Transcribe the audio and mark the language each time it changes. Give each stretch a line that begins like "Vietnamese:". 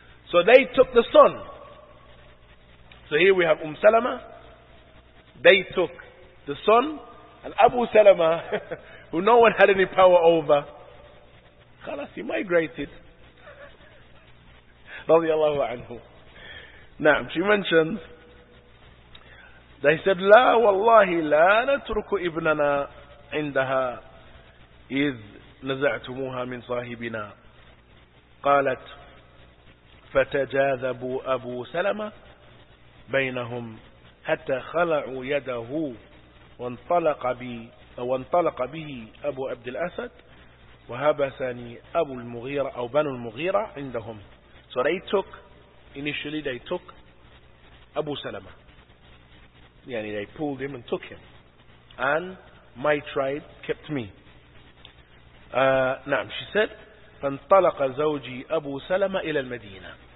English: So they took the son. So here we have Salama. They took the son. And Abu Salama, who no one had any power over, خلاص, he migrated.
Arabic: رضي الله عنه. نعم, she mentions, they said, لا والله لا نترك ابننا عندها إذ نزعتموها من صاحبنا. قالت فتجاذبوا أبو سلمة بينهم حتى خلعوا يده وانطلق به أبو عبد الأسد وهبسني أبو المغيرة أو بنو المغيرة عندهم.
English: So initially they took Abu Salama. Yani they pulled him and took him. And my tribe kept me.
Arabic: نعم, she said, فانطلق زوجي أبو سلمة إلى المدينة.